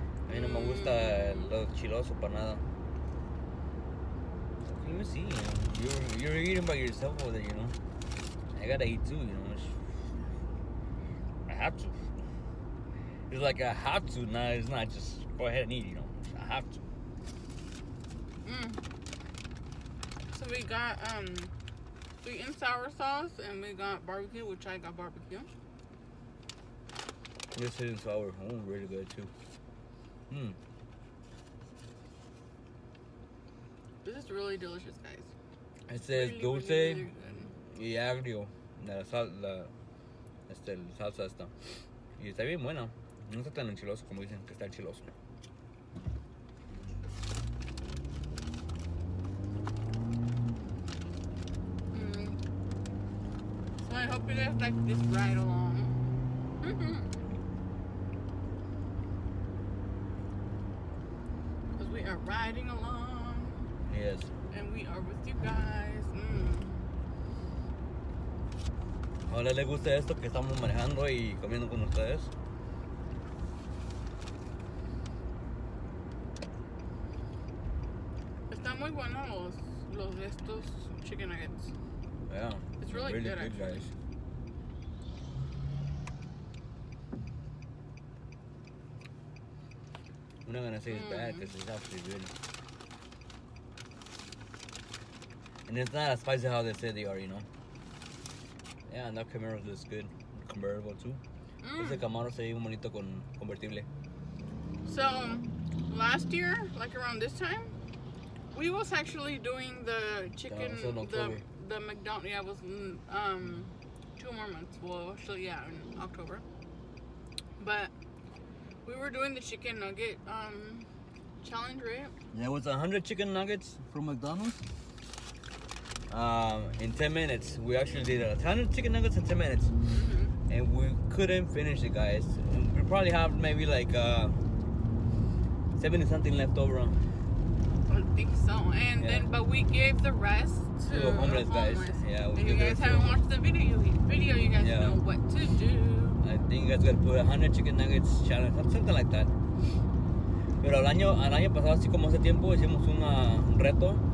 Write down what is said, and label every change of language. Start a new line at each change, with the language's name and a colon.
Spanish: A mí no me gusta lo chiloso para nada.
English: Let me see. You're eating by yourself over there, you know. I gotta eat too, you know. I have to. It's like I have to. Nah, it's not just go ahead and eat, you know. I have to. So we got sweet and sour sauce, and we got barbecue, which I got barbecue. This sweet and sour, oh, really good too. This is really delicious, guys. It says really,
Spanish: dulce
English: really, really
Spanish: y agrio. La salsa esta. Y está bien buena. No está tan enchiloso como dicen que está enchiloso.
English: We're gonna have to just ride along. Because we are riding along. Yes. And we are with you guys.
Spanish: Ojalá les guste esto que estamos manejando y comiendo con ustedes. Están muy buenos los de estos chicken nuggets.
English: Yeah, it's really, really good, good actually. Guys. I'm not gonna say it's bad because it's actually good. And it's not as spicy how they say they are, you know? Yeah, and that Camaro looks good. Convertible too.
Spanish: Ese Camaro se ve un bonito con convertible.
English: So, last year, like around this time, we was actually doing the chicken, the McDonald's. Yeah, it was 2 more months. Well, actually, yeah, in October. But we were doing the chicken nugget challenge, right? Yeah, it was 100 chicken nuggets from McDonald's. In 10 minutes, we actually did 100 chicken nuggets in 10 minutes. Mm-hmm. And we couldn't finish it, guys. We probably have maybe like 70 something left over. I think so. And then, but we gave the rest to homeless, the homeless guys. Yeah, we if you guys haven't watched the video, you guys know what to do. I think you guys gotta put 100 chicken nuggets challenge, something like that.
Spanish: Pero al año pasado, así como hace tiempo, hicimos un reto.